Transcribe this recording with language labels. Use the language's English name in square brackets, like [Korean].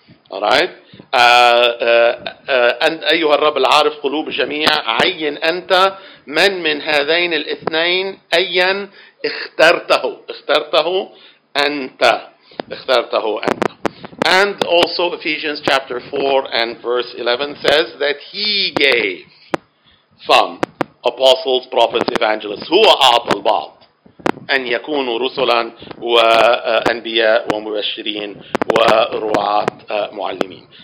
[English] Alright? [Arabic] أنت أيها الرب العارف قلوب الجميع, عين أنت من هذين الاثنين أيا اخترته. اخترته أنت. اخترته أنت. [English] And also Ephesians chapter 4 and verse 11 says that he gave some apostles, prophets, evangelists. [Arabic] هو أعطى البعض. أن يكونوا رسلا وأنبياء ومبشرين ورعاة معلمين.